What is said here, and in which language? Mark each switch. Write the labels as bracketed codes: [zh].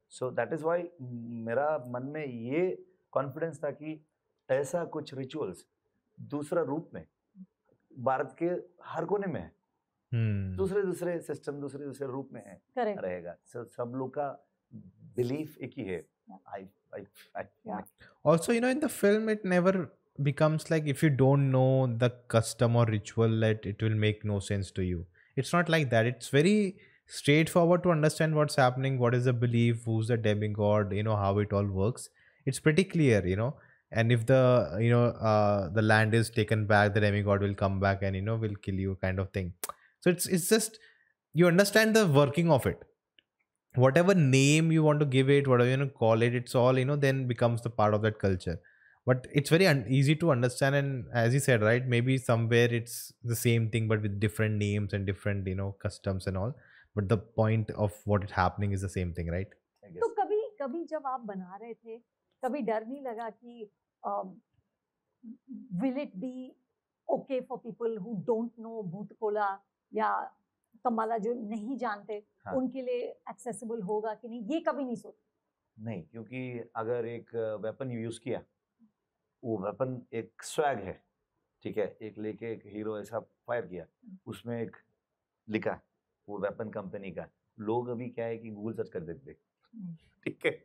[en] so that is why [hi] मेरा मन में ये कॉन्फिडेंस था कि ऐसा कुछ रिचुअल्स दूसरा रूप में भारत के हर कोने में है, दूसरे दूसरे सिस्टम दूसरे दूसरे रूप में है रहेगा. सो सब लोग का बिलीफ एक ही है. [en] Also, you know, in the film, it never becomes like if you don't know the custom or ritual that it will make no sense to you. It's not like that. It's very straightforward to understand what's happening, what is the belief, who's the demigod, you know, how it all works. It's pretty clear, you know. And if the, you know, the land is taken back, the demigod will come back and, you know, will kill you kind of thing. So it's just, you understand the working of it. Whatever name you want to give it, whatever you want to call it, it's all, you know, then becomes the part of that culture. But it's very easy to understand. And as you said, right, maybe somewhere it's the same thing, but with different names and different, you know, customs and all. But the point of what is happening is the same thing, right? [hi] So, kabhi, kabhi jab aap bana rahe the, kabhi dar nahi laga ki, [en] will it be okay for people who don't know [hi] Bhutkola ya Kamala जो नहीं जानते हाँ. उनके लिए accessible होगा कि नहीं, ये कभी नहीं सोचा. नहीं, क्योंकि अगर एक वेपन यूज किया, वो वेपन एक स्वैग है, ठीक है, एक लेके एक हीरो ऐसा फायर किया, उसमें एक लिखा वो वेपन कंपनी का, लोग अभी क्या है कि गूगल सर्च कर देते, ठीक है,